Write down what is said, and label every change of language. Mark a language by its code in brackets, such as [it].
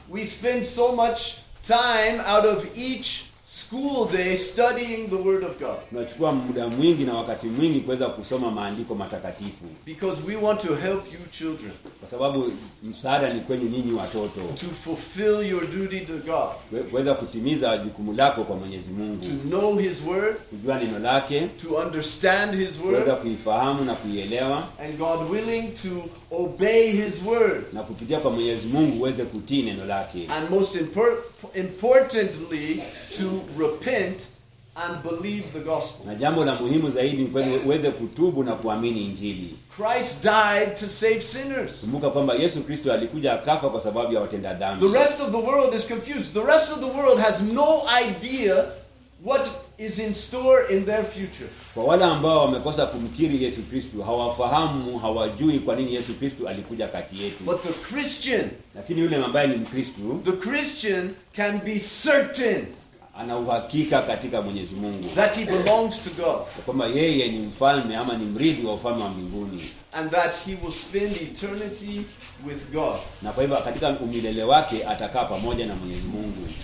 [en] we spend so much time out of each school day studying the word of God. [sw] Tunachukua muda mwingi na wakati mwingi kuweza kusoma maandiko matakatifu. [en] Because we want to help you children. [sw] Kwa sababu msaada ni kwenu ninyi watoto. [en] To fulfill your duty to God. [sw] Kuweza kutimiza jukumu lako kwa Mwenyezi Mungu. [en] To know his word. [sw] Kujua neno lake. [en] To understand his word. [sw] Kuweza kuifahamu na kuielewa. [en] And God willing to obey his word. [sw] Na kupitia kwa Mwenyezi Mungu uweze kutii neno lake. [en] And most importantly to repent and believe the gospel. [sw] Na jambo la muhimu zaidi ni kwenye uweze kutubu na kuamini injili. [en] Christ died to save sinners. [sw] Kumbuka kwamba Yesu Kristo alikuja akafa kwa sababu ya watenda dhambi. [en] The rest of the world is confused. The rest of the world has no idea what is in store in their future. [sw] Kwa wale ambao wamekosa kumkiri Yesu Kristo, hawafahamu, hawajui kwa nini Yesu Kristo alikuja kati yetu. [en] But the Christian, [sw] lakini yule ambaye ni Mkristo, [en] the Christian can be certain. [sw] Ana uhakika katika Mwenyezi Mungu. [en] That he belongs to God. [sw] Kwamba yeye ni mfalme ama ni mrithi wa ufalme wa mbinguni. [en] And that he will spend eternity with God. [sw] Na kwa hivyo katika umilele wake atakaa pamoja na Mwenyezi Mungu.